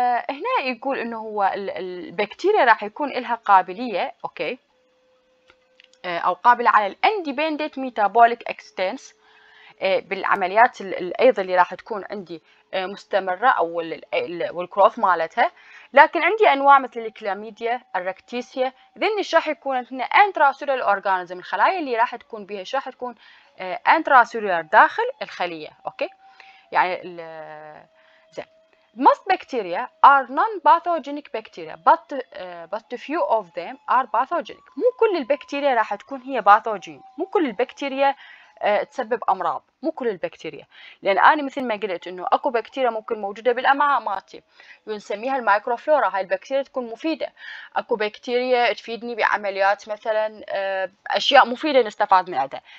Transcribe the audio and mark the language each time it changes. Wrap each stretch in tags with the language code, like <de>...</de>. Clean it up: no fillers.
<ar>هنا يقول انه هو البكتيريا راح يكون لها قابليه، اوكي، او قابل على الانديبندنت ميتابوليك اكستنس، بالعمليات الايض اللي راح تكون عندي مستمره او والكروث مالتها. لكن عندي انواع مثل الكلاميديا، الركتيسيا، ذني ايش راح يكون؟ هنا انتراسيلولار اورجانيزم، الخلايا اللي راح تكون بها ايش راح تكون؟ انتراسيلولار، داخل الخليه، اوكي.</ar> <en>يعني most bacteria are non-pathogenic bacteria but few of them are pathogenic.</en> <ar>مو كل البكتيريا راح تكون هي باثوجين، مو كل البكتيريا تسبب امراض، مو كل البكتيريا. لان انا مثل ما قلت انه اكو بكتيريا ممكن موجوده بالامعاء مالتي ونسميها المايكروفلورا، هاي البكتيريا تكون مفيده. اكو بكتيريا تفيدني بعمليات مثلا، اشياء مفيده نستفاد من عندها.</ar>